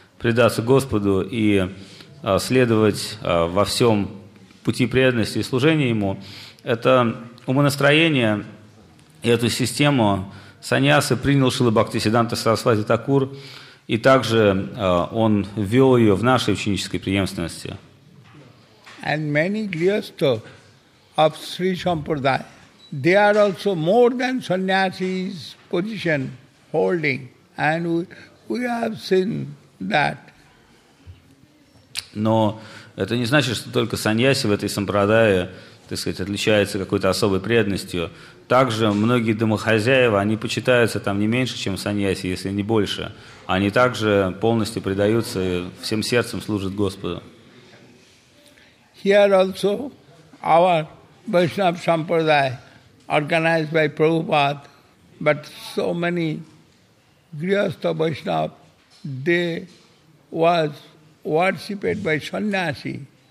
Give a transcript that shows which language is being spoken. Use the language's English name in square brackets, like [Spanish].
[Russian] предаться Господу и следовать во всем пути преданности и служения Ему, это умонастроение, эту систему саньясы принял Шрила Бхактисиддханта Сарасвати Такур, и также он ввел ее в нашей ученической преемственности. [English] And many grihastha of Sri Sampradaya, they are also more than sannyasi's position holding, and we have seen that. [Russian] Но это не значит, что только саньяси в этой сампрадае, так сказать, отличаются какой-то особой преданностью. Также многие домохозяева, они почитаются там не меньше, чем саньяси, если не больше. Они также полностью предаются и всем сердцем служат Господу. [English] Here also our Vaishnava Sampradaya organized by Prabhupada, but so many grihastha Vaishnava, they was worshipped by sannyasi.